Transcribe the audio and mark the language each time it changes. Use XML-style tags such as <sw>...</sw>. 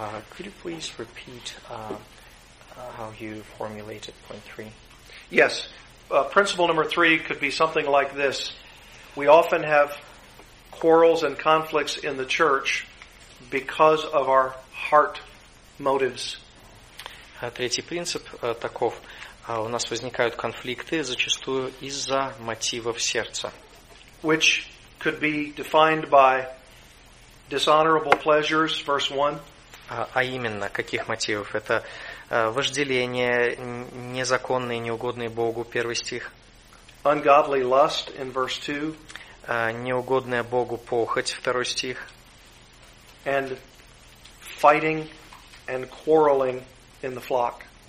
<en>Could you please repeat how you formulated point three? Yes. Principle number three could be something like this. We often have quarrels and conflicts in the church because of our heart motives.</en> <ru>Третий принцип таков. У нас возникают конфликты зачастую из-за мотивов сердца.</ru> <en>Which could be defined by dishonorable pleasures, verse 1.</en> <ru>А именно, каких мотивов? Это вожделение, незаконные, неугодные Богу, первый стих.</ru> <en>Ungodly lust in verse 2.</en> <ru>Неугодная Богу похоть, второй стих.</ru> <en>And fighting and quarreling in the flock.</en>